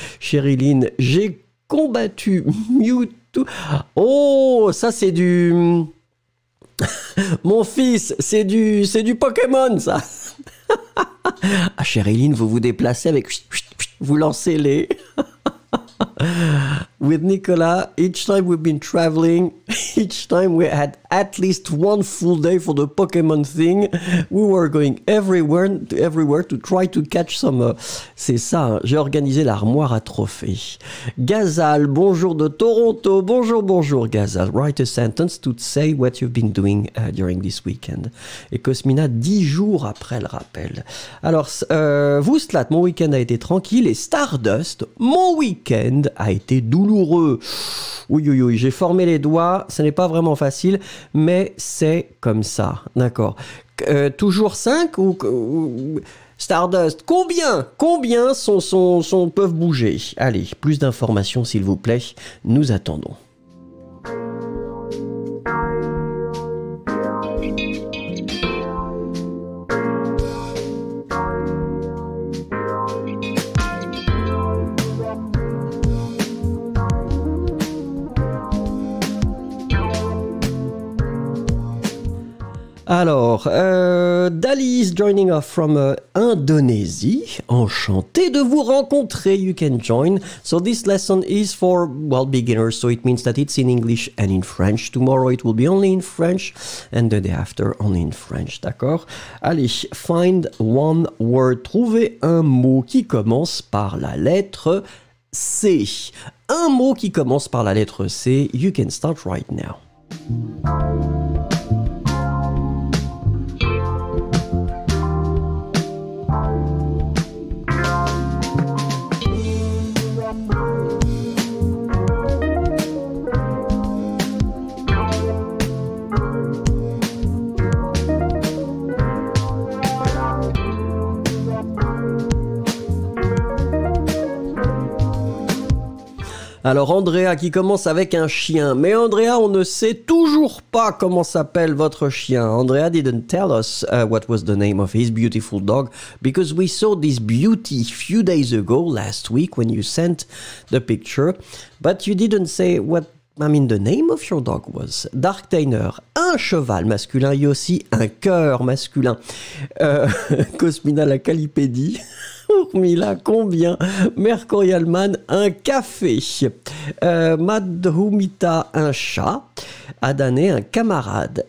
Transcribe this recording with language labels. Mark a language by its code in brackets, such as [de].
[fr] Cheryline, j'ai combattu Mewtwo. Oh, ça, c'est du... Mon fils, c'est du Pokémon, ça. Ah, Cheryline, vous vous déplacez avec... Vous lancez les... [en] With Nicolas, each time we've been traveling, each time we had at least one full day for the Pokémon thing, we were going everywhere to try to catch some... [fr] C'est ça, hein. J'ai organisé l'armoire à trophées. Gazal, bonjour de Toronto, bonjour Gazal. [en] Write a sentence to say what you've been doing during this weekend. [fr] Et Cosmina, 10 jours après le rappel. Alors, vous, Slat, mon week-end a été tranquille, et Stardust, mon week-end a été douloureux. Oui, oui, oui, j'ai formé les doigts, ce n'est pas vraiment facile, mais c'est comme ça, d'accord. Toujours 5 ou Stardust, combien sont peuvent bouger? Allez, plus d'informations s'il vous plaît, nous attendons. [en] Alors, Dali is joining us from Indonesia. [fr] Enchanté de vous rencontrer. [en] You can join. So this lesson is for, well, beginners. So it means that it's in English and in French. Tomorrow it will be only in French. And the day after, only in French. [fr] D'accord? Allez, [en] find one word. [fr] Trouvez un mot qui commence par la lettre C. Un mot qui commence par la lettre C. [en] You can start right now. [fr] Alors, Andrea qui commence avec un chien. Mais Andrea, on ne sait toujours pas comment s'appelle votre chien. [en] Andrea didn't tell us what was the name of his beautiful dog because we saw this beauty few days ago, last week, when you sent the picture. But you didn't say what, I mean, the name of your dog was. [fr] Dark Tainer, un cheval masculin. Il y a aussi un cœur masculin. Cosmina la Calipédie. Urmila, combien? Mercurial Man, un café. Madhumita, un chat. Adané, un camarade.